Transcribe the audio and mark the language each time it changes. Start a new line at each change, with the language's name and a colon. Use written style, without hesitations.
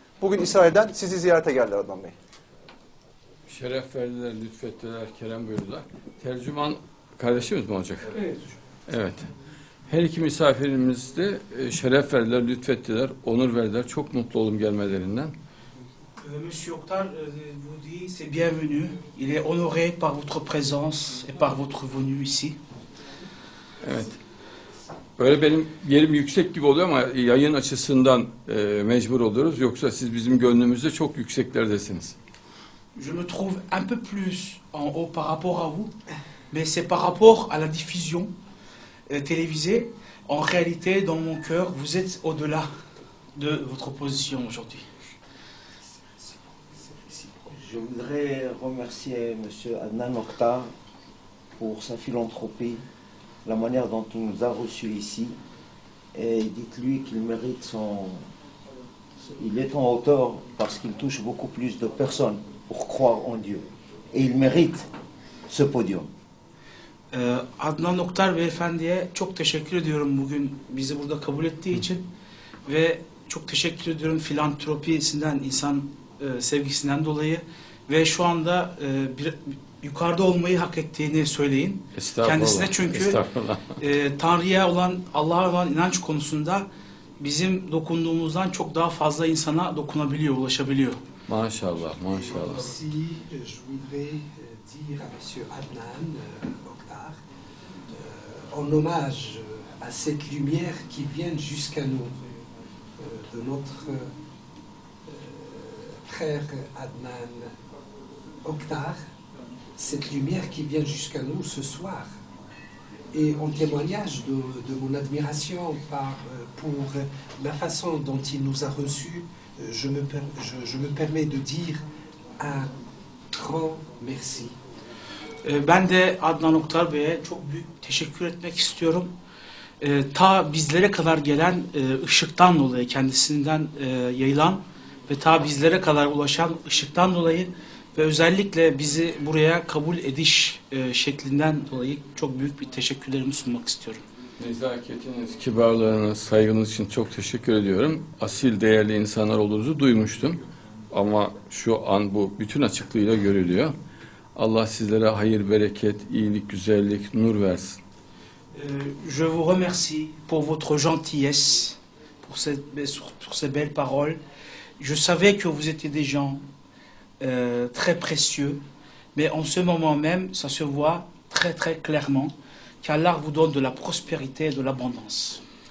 Turkish: Bugün İsrail'den sizi ziyarete geldiler Adnan Bey. Şeref verdiler, lütfettiler, kerem buyurdular. Tercüman kardeşimiz mi olacak? Evet. Evet. Her iki misafirimiz de şeref verdiler, lütfettiler, onur verdiler. Çok mutlu oldum gelmelerinden.
French: Monsieur Oktar, vous dites, c'est bienvenu. Il est honoré par votre présence et par votre venue ici.
Turkish: Evet. Böyle benim yerim yüksek gibi oluyor ama yayın açısından mecbur oluyoruz. Yoksa siz bizim gönlümüzde çok yükseklerdesiniz.
French: Je me trouve un peu plus en haut par rapport à vous, mais c'est par rapport à la diffusion télévisée. En réalité, dans mon cœur, vous êtes au-delà de votre position aujourd'hui. Je voudrais remercier Monsieur Adnan Oktar pour sa philanthropie, la manière dont il nous a reçus ici, et dites-lui qu'il mérite son. Il est en hauteur parce qu'il touche beaucoup plus de personnes pour croire en Dieu. Et il mérite ce podium.
Turkish: Adnan Oktar Beyefendi'ye çok teşekkür ediyorum bugün bizi burada kabul ettiği için ve çok teşekkür ediyorum filantropisinden, insan sevgisinden dolayı ve şu anda yukarıda olmayı hak ettiğini söyleyin kendisine Estağfurullah. çünkü Estağfurullah. Tanrı'ya olan, Allah'a olan inanç konusunda bizim dokunduğumuzdan çok daha fazla insana dokunabiliyor, ulaşabiliyor. Maşallah, maşallah.
French: Aussi, je voudrais dire à Monsieur Adnan Oktar, en hommage à cette lumière qui vient jusqu'à nous, de notre frère Adnan Oktar, cette lumière qui vient jusqu'à nous ce soir, et en témoignage de mon admiration pour la façon dont il nous a reçus, je me permets de dire un grand merci.
Turkish: Ben de Adnan Oktar Bey'e çok büyük teşekkür etmek istiyorum. Ta bizlere kadar gelen ışıktan dolayı, kendisinden yayılan ve ta bizlere kadar ulaşan ışıktan dolayı ve özellikle bizi buraya kabul ediş şeklinden dolayı çok büyük bir teşekkürlerimi sunmak istiyorum. Nezaketiniz, kibarlığınız, saygınız için çok teşekkür ediyorum. Asil değerli insanlar olduğunuzu duymuştum. Ama şu an bu bütün açıklığıyla görülüyor. Allah sizlere hayır, bereket, iyilik, güzellik, nur versin.
French: Je vous remercie pour votre gentillesse, pour ces belles paroles. Je savais que vous étiez des gens très précieux, mais en ce moment même, ça se voit très très clairement. Qu'Allah vous donne de la prospérité et de l'abondance.